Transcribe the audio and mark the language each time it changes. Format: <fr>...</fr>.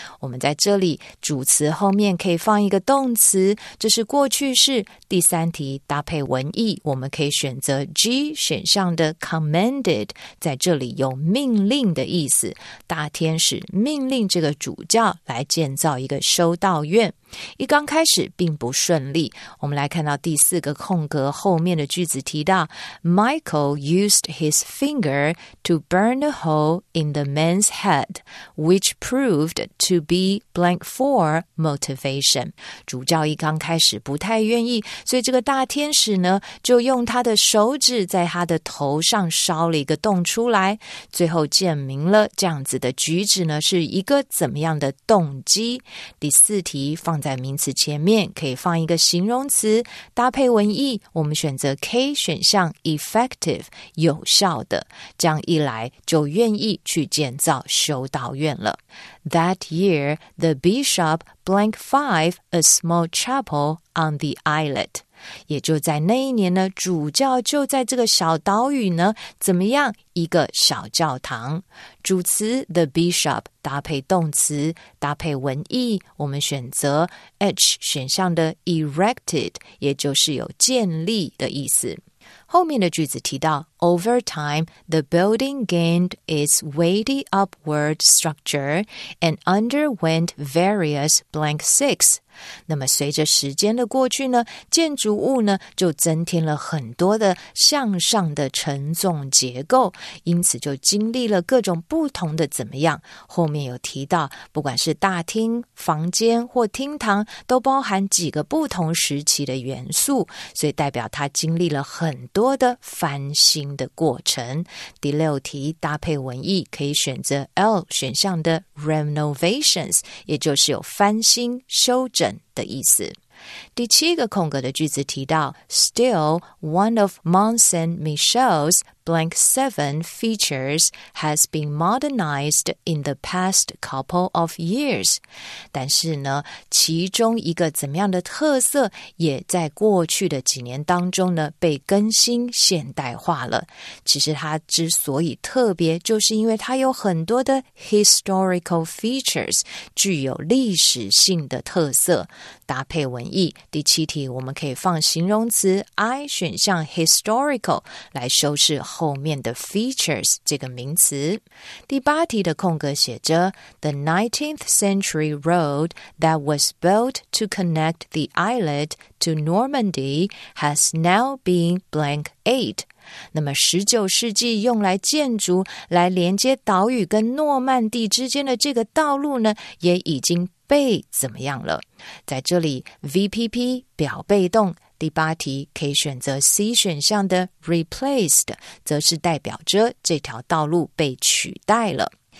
<zh>我们在这里，主词后面可以放一个动词，这是过去式。第三题搭配文意，我们可以选择 G 选项的 commanded， 在这里有命令的意思，大天使命令这个主教来建造一个修道院。一刚开始并不顺利。我们来看到第四个空格后面的句子提到</zh> <en>Michael used his finger to burn a hole in the man's head, which proved to be blank for motivation.</en> <zh>主教一刚开始不太愿意，所以这个大天使呢，就用他的手指在他的头上烧了一个洞出来，最后证明了这样子的举止呢，是一个怎么样的动机。第四题放在名词前面，可以放一个形容词，搭配文意，我们选择 K 选项 effective, 有效的，这样一来就愿意去建造修道院了。</zh> <en>That year, the bishop blank five a small chapel on the islet.</en> <zh>也就在那一年呢，主教就在这个小岛屿呢，怎么样一个小教堂。主词 the bishop 搭配动词，搭配文意，我们选择 H 选项的 erected, 也就是有建立的意思。后面的句子提到</zh> <en>Over time, the building gained its weighty upward structure and underwent various blank six.</en> <zh>那么随着时间的过去呢，建筑物呢就增添了很多的向上的沉重结构，因此就经历了各种不同的怎么样。后面有提到，不管是大厅、房间或厅堂，都包含几个不同时期的元素，所以代表它经历了很多的翻新的过程。第六题搭配文意，可以选择 L 选项的 renovations, 也就是有翻新修整的意思。第七个空格的句子提到</zh> <en>Still, one of Monsen Michel's blank seven features has been modernized in the past couple of years.</en> <zh>但是呢，其中一个怎么样的特色也在过去的几年当中呢，被更新现代化了。其实它之所以特别，就是因为它有很多的</zh> <en>historical features,</en> <zh>具有历史性的特色。搭配文意，第七题我们可以放形容词 I 选项 historical 来修饰后面的 features 这个名词。第八题的空格写着</zh> <en>The 19th century road that was built to connect the islet to Normandy has now been blank eight.</en> <zh>那么十九世纪用来建筑来连接岛屿跟诺曼底之间的这个道路呢，也已经被怎么样了。在这里 VPP 表被动，第八题可以选择 C 选项的 replaced, 则是代表着这条道路被取代了。</zh>